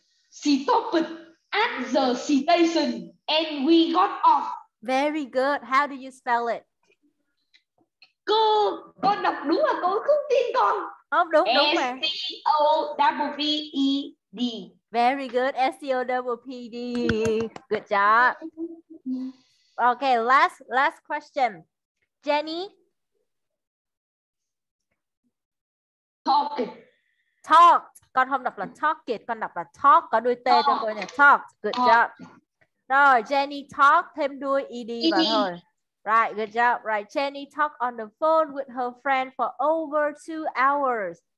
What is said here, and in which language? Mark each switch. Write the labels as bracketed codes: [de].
[en] She stopped at the station and we got off. Very good. How do you spell it? [vi] Cô, con đọc đúng là cô không tin con. Không, đúng, đúng mà. [en] S-T-O-V-E-D. Very good. S-T-O-V-E-D. Good job. Okay, last question. Jenny? Talk. [vi] Con không đọc là talk it, con đọc là talk, có đuôi T cho cô nhỉ. [en] Talk, good job. [vi] Rồi, Jenny talk, thêm đuôi ED vào thôi. [en] Right, good job. Right, Jenny talk on the phone with her friend for over 2 hours.